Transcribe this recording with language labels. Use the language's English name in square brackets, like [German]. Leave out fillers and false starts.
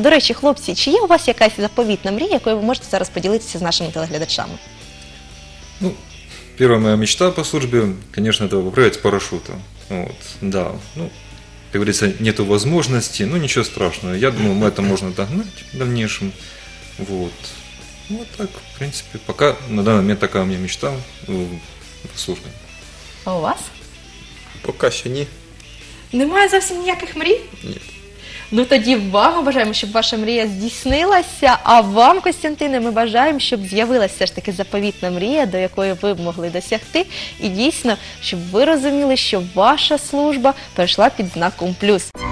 [Ukrainian] До речі, хлопці, чи є у вас якась заповітна мрія, якою ви можете зараз поділитися з нашими телеглядачами? Ну, перша моя мечта по службі, звісно, це попрыгати з парашутом. От, да. Ну, як говориться, нету можливості, ну, нічого страшного. Я думаю, ми це можна догнати в дальнейшому. [Russian] Вот. Вот так, в принципе, пока на данный момент такая у меня мечта по службе. А у вас? Пока еще не. [Ukrainian] Немає зовсім ніяких мрій? Ні. Ну тоді вам ми бажаємо, щоб ваша мрія здійснилася, а вам, Костянтине, ми бажаємо, щоб з'явилася все ж таки заповітна мрія, до якої ви б могли досягти, і дійсно, щоб ви розуміли, що ваша служба перейшла під знаком «плюс».